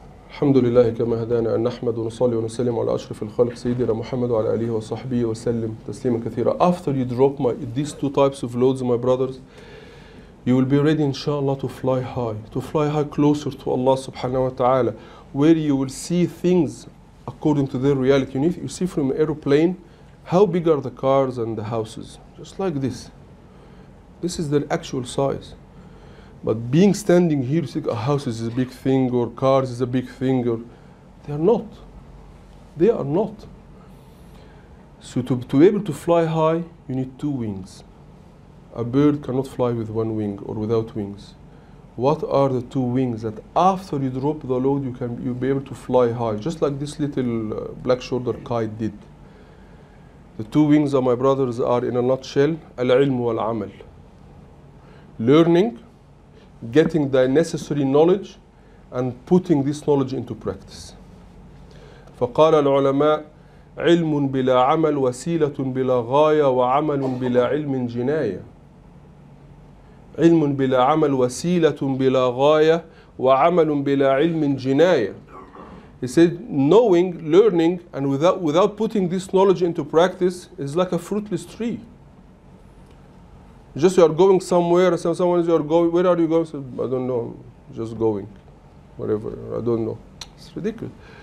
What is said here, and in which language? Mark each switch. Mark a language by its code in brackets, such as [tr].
[ar] الحمد لله كما هدانا أن نحمد ونصلي ونسلم على أشرف الخلق سيدنا محمد وعلى آله وصحبه وسلم تسليما كثيرا. [en] After you drop these two types of loads, my brothers, you will be ready, inshallah, to fly high. To fly high closer to Allah subhanahu wa ta'ala, where you will see things according to their reality. You see from an aeroplane, how big are the cars and the houses? Just like this. This is their actual size. But being standing here, think a house is a big thing, or cars is a big thing, or they are not. So to be able to fly high, you need two wings. A bird cannot fly with one wing or without wings. What are the two wings that after you drop the load, you'll be able to fly high, just like this little black shoulder kite did. The two wings of my brothers are, in a nutshell, al-ilm wal-amal. Learning, getting the necessary knowledge and putting this knowledge into practice. [ar] فقال العلماء علم بلا عمل وسيلة بلا غاية وعمل بلا علم جناية. علم بلا عمل وسيلة بلا غاية وعمل بلا علم جناية. [en] He said, knowing, learning, and without putting this knowledge into practice is like a fruitless tree. Just you are going somewhere, someone is, you are going, where are you going? I don't know, I'm just going, whatever, I don't know. It's ridiculous.